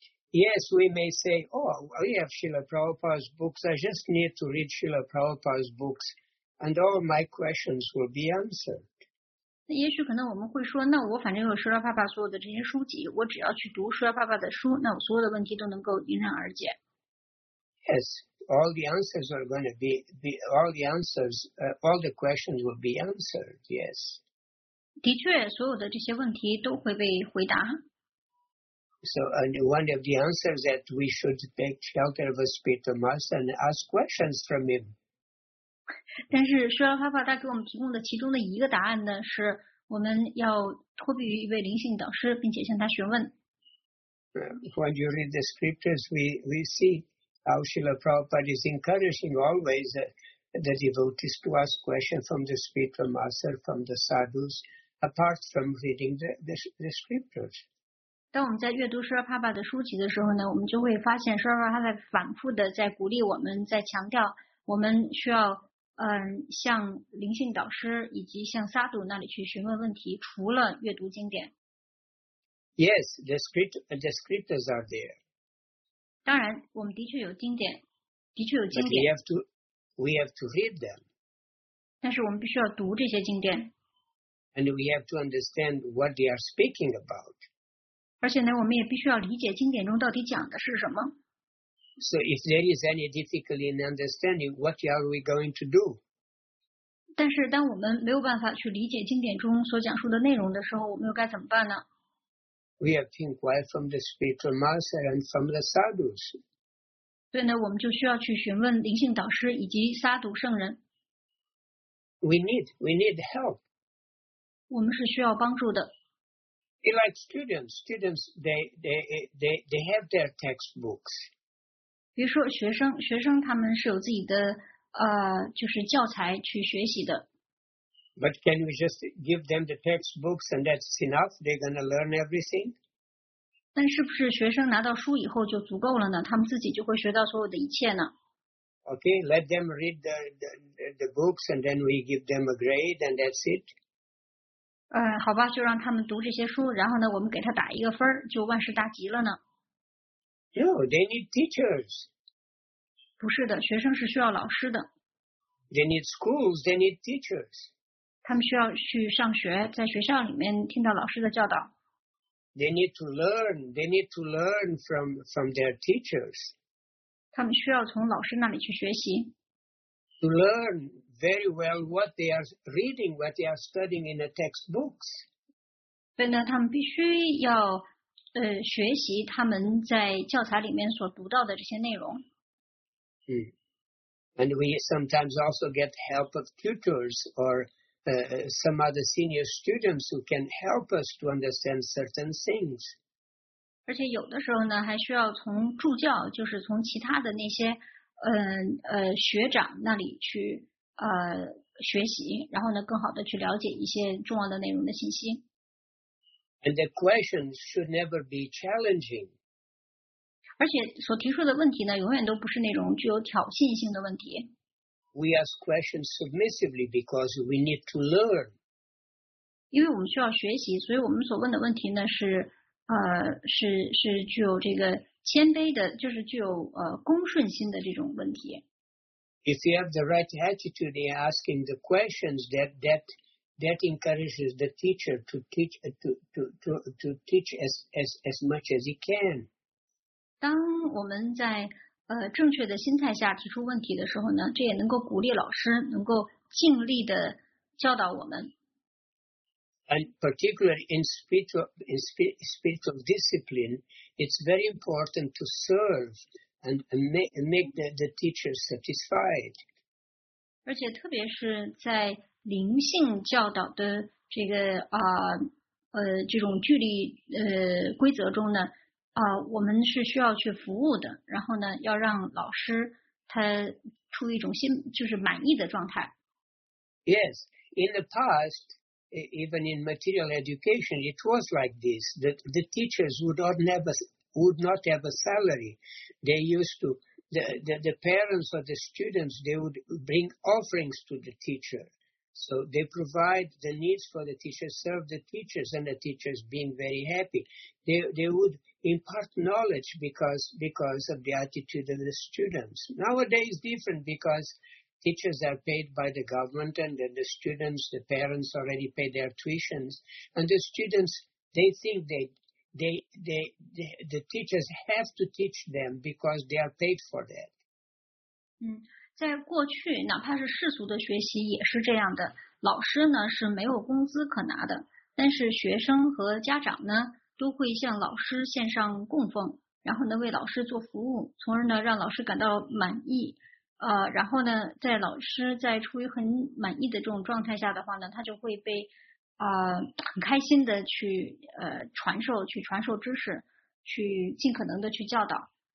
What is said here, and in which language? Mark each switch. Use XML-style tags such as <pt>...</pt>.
<en>Yes, we may say, oh, we have Srila Prabhupada's books. I just need to read Srila Prabhupada's books, and all my questions will be answered.</en> <zh>那也许可能我们会说，那我反正有舍拉帕帕所有的这些书籍，我只要去读舍拉帕帕的书，那我所有的问题都能够迎刃而解。</zh> <en>Yes, all the answers are going to be all the answers, all the questions will be answered. Yes.</en> <zh>的确，所有的这些问题都会被回答。</zh> <en>So, and one of the answers that we should take shelter of a spiritual master and ask questions from him.</en> <zh>但是舍拉帕帕他给我们提供的其中的一个答案呢，是我们要托庇于一位灵性导师，并且向他询问。</zh> <en>When you read the scriptures, we see how Srila Prabhupada is encouraging always the devotees to ask questions from the spiritual master, from the sadhus, apart from reading the scriptures.</en> <zh>当我们在阅读舍拉帕帕的书籍的时候呢，我们就会发现舍拉帕帕在反复的在鼓励我们，在强调我们需要向灵性导师以及向萨杜那里去询问问题，除了阅读经典。</zh> <en>Yes, the scriptures are there.</en> <zh>当然，我们的确有经典，的确有经典。</zh> <en>But we have to read them.</en> <zh>但是我们必须要读这些经典。</zh> <en>And we have to understand what they are speaking about.</en> <zh>而且呢，我们也必须要理解经典中到底讲的是什么。</zh> <en>So if there is any difficulty in understanding, what are we going to do?</en> <zh>但是当我们没有办法去理解经典中所讲述的内容的时候，我们又该怎么办呢？</zh> <en>We have to inquire from the spiritual master and from the sadhus.</en> <zh>对呢，我们就需要去询问灵性导师以及萨杜圣人。</zh> <en>We need help.</en> <zh>我们是需要帮助的。</zh> <en>Like students, they have their textbooks.</en> <zh>比如说学生他们是有自己的就是教材去学习的。</zh> <en>But can we just give them the textbooks and that's enough? They're going to learn everything?</en> <zh>但是不是学生拿到书以后就足够了呢？他们自己就会学到所有的一切呢？</zh> <en>Okay, let them read the books and then we give them a grade and that's it.</en> <zh>好吧，就让他们读这些书，然后呢，我们给他打一个分，就万事大吉了呢。</zh> <en>No, they need teachers.</en> <zh>不是的，学生是需要老师的。</zh> <en>They need schools, they need teachers.</en> <zh>他们需要去上学，在学校里面听到老师的教导。</zh> <en>They need to learn. They need to learn from their teachers.</en> <zh>他们需要从老师那里去学习。</zh> <en>To learn very well what they are reading, what they are studying in the textbooks.</en> <zh>所以呢，他们必须要学习他们在教材里面所读到的这些内容。</zh> <en>And we sometimes also get help of tutors or some other senior students who can help us to understand certain things.</en> <zh>而且有的时候呢，还需要从助教，就是从其他的那些学长那里去学习，然后呢，更好的去了解一些重要的内容的信息。</zh> <en>And the questions should never be challenging.</en> <zh>而且所提出的问题呢，永远都不是那种具有挑衅性的问题。</zh> <en>We ask questions submissively because we need to learn.</en> <zh>因为我们需要学习，所以我们所问的问题呢是具有这个谦卑的，就是具有恭顺心的这种问题。</zh> <en>If you have the right attitude in asking the questions, that encourages the teacher to teach to teach as much as he can.</en> <zh>当我们在正确的心态下提出问题的时候呢，这也能够鼓励老师能够尽力的教导我们。</zh> <en>And particularly in spiritual discipline, it's very important to serve and make the teacher satisfied.</en> <zh>而且特别是在灵性教导的这个这种距离规则中呢。我们是需要去服务的，然后呢，要让老师他处于一种就是满意的状态。</zh> <en>Yes, in the past, even in material education, it was like this. The teachers would not have a salary. They used to the parents or the students, they would bring offerings to the teacher. So they provide the needs for the teachers, serve the teachers, and the teachers being very happy. They would. Impart knowledge because of the attitude of the students. Nowadays it's different because teachers are paid by the government and the students, the parents already pay their tuitions. And the students, they think the teachers have to teach them because they are paid for that.</en> <zh>在过去哪怕是世俗的学习也是这样的。老师呢是没有工资可拿的。但是学生和家长呢都会向老师献上供奉，然后呢为老师做服务，从而呢让老师感到满意。然后呢，在老师在处于很满意的这种状态下的话呢，他就会被很开心的去传授知识，去尽可能的去教导。</zh>